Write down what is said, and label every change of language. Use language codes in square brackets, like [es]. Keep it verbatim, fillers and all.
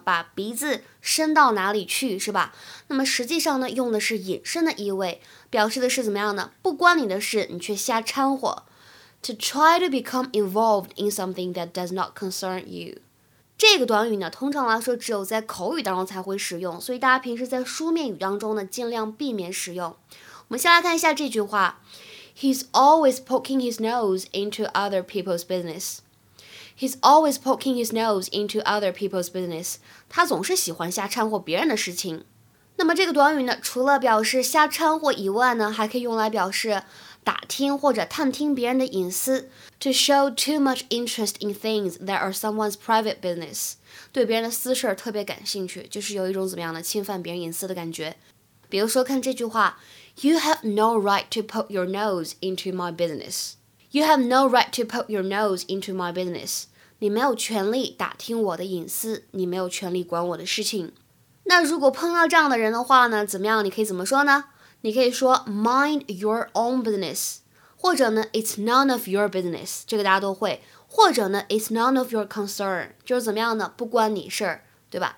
[zh] 把鼻子伸到哪里去，是吧？那么实际上呢，用的是引申的意味，表示的是怎么样呢？不关你的事，你却瞎掺和。 [en] To try to become involved in something that does not concern you。 [zh] 这个短语呢，通常来说只有在口语当中才会使用，所以大家平时在书面语当中呢，尽量避免使用。我们先来看一下这句话。 [en] He's always poking his nose into other people's business. He's always poking his nose into other people's business. [zh] 他总是喜欢瞎掺和别人的事情。那么这个短语呢，除了表示瞎掺和以外呢，还可以用来表示打听或者探听别人的隐私。 [en] To show too much interest in things that are someone's private business. [zh] 对别人的私事特别感兴趣，就是有一种怎么样的侵犯别人隐私的感觉。比如说看这句话。 [en] You have no right to poke your nose into my business. You have no right to poke your nose into my business. [zh] 你没有权利打听我的隐私，你没有权利管我的事情。那如果碰到这样的人的话呢，怎么样？你可以怎么说呢？你可以说 [en] mind your own business， [zh] 或者呢 [en] it's none of your business， [zh] 这个大家都会。或者呢 [en] it's none of your concern， [zh] 就是怎么样呢？不关你事儿，对吧？